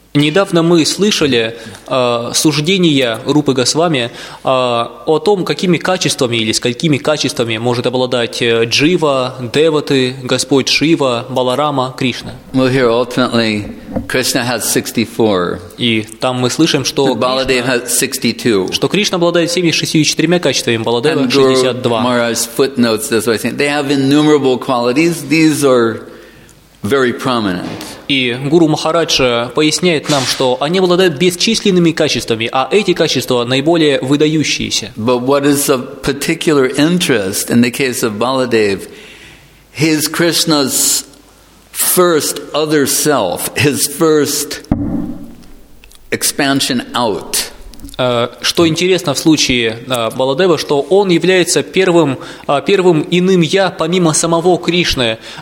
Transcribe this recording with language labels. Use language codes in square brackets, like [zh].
[ru] Недавно мы слышали суждения Рупы Госвами о том, какими качествами или сколькими качествами может обладать Джива, Деваты, Господь Шива, Баларама, Кришна. [en] We'll hear ultimately Krishna has 64. [ru] И там мы слышим, что [en] Баладев has 62. [ru] Что Кришна обладает 64 качествами, Баладева 62. [en] Maharaj footnotes this by saying they have innumerable qualities. These are very prominent. [ru] И Гуру Махарадж поясняет нам, что они обладают бесчисленными качествами, а эти качества наиболее выдающиеся. [en] But what is of particular interest in the case of Baladev, his Krishna's first other self, his first expansion out. [ru] Что интересно в случае Баладева, что он является первым иным я, помимо самого Кришны.